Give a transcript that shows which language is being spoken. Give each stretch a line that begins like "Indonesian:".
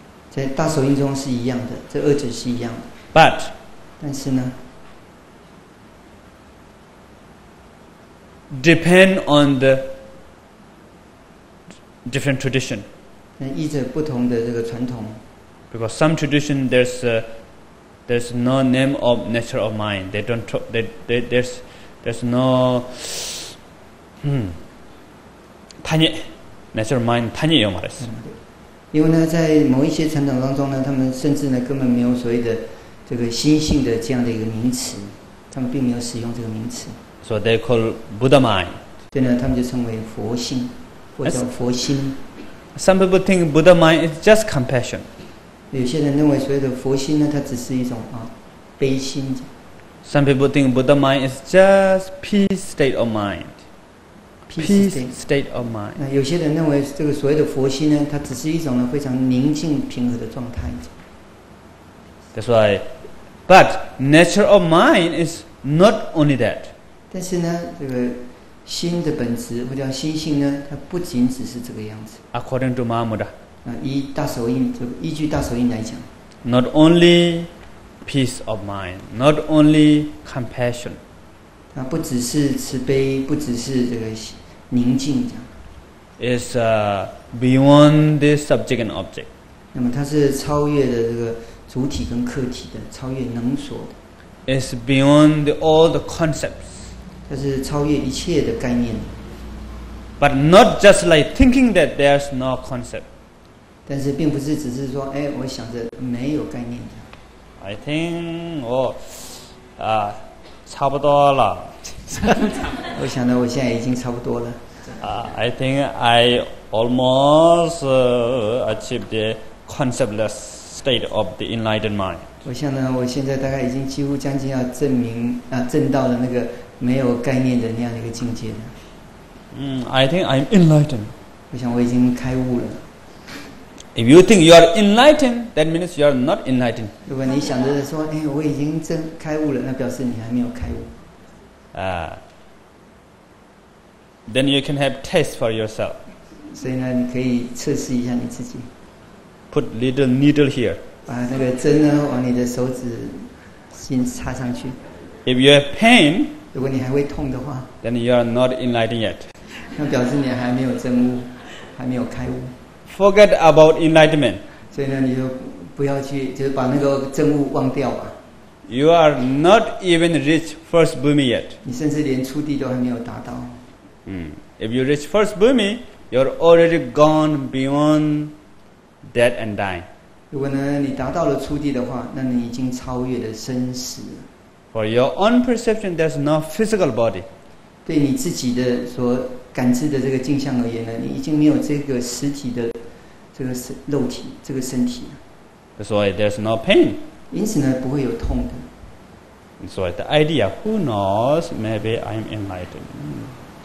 Chinese: 在大手印中是一样的，这二者是一样的。
English: But,
Chinese: 但是呢
English: ，depend on the different tradition.
Chinese: 那依着不同的这个传统。
English: Because some tradition there's no name of nature of mind. They don't talk. There's no tanya. Natural mind,
Chinese: 贪念有吗？因为呢，在某一些传统当中呢，他们甚至呢根本没有所谓的这个心性的这样的一个名词，他们并没有使用这个名词。
English: So they call Buddha mind.
Chinese: 所以呢，他们就称为佛性，或叫佛心。
English: Some people think Buddha mind is just compassion.
Chinese: 有些人认为所谓的佛心呢，它只是一种悲心。
English: Some people think Buddha mind is just peace state of mind. Peace state of mind.
Chinese: 那有些人认为这个所谓的佛心呢，它只是一种呢非常宁静平和的状态。
English: That's why, but nature of mind is Not only that.
Chinese: 但是呢，这个心的本质或者心性呢，它不仅只是这个样子。
English: According to Mahamudra.
Chinese: 依据大手印来讲。
English: Not only peace of mind, not only compassion.
Chinese: 它不只是慈悲，不只是这个宁静这样。
English: Is beyond the subject and object.
Chinese: 那么它是超越的这个主体跟客体的，超越能所的。
English: Is beyond the, all the concepts.
Chinese: 它是超越一切的概念。
English: But not just like thinking that there's no concept.
Chinese: 但是并不是只是说，哎，我想着没有概念。
English: I think
Chinese: 我啊，差不多了。我想到我现在已经差不多了。
English: I think I almost achieved the conceptless state of the enlightened mind.
Chinese: 我想呢，我现在大概已经几乎将近要证明啊，证到了那个没有概念的那样的一个境界了。
English: I think I'm enlightened.
Chinese: 我想我已经开悟了。
English: If you think you are enlightened, that means you are not enlightened.
Chinese: 如果你想着说，哎，我已经证开悟了，那表示你还没有开悟。
English: Then you can have test for yourself.
Chinese: 所以呢，你可以测试一下你自己。
English: Put little needle here.
Chinese: 把那个针呢，往你的手指心插上去。
English: If you have pain,
Chinese: 如果你还会痛的话
English: ，then you are not enlightened yet.
Chinese: 那表示你还没有证悟，还没有开悟。
English: Forget about enlightenment.
Chinese: 所以呢，你就不要去，就是把那个证悟忘掉吧。
English: You are not even reached first bhumi yet.
Chinese: 你甚至连初地都还没有达到。
English: If you reach first bhumi, you're already gone beyond death and dying.
Chinese: 如果呢，你达到了初地的话，那你已经超越了生死。
English: For your own perception, there's no physical body.
Chinese: 对你自己的所感知的这个镜像而言呢，你已经没有这个实体的这个肉体这个身体了。
English: That's why there's no pain.
Chinese: 因此呢，不会有痛的。
English: So the idea, who knows? Maybe I'm enlightened.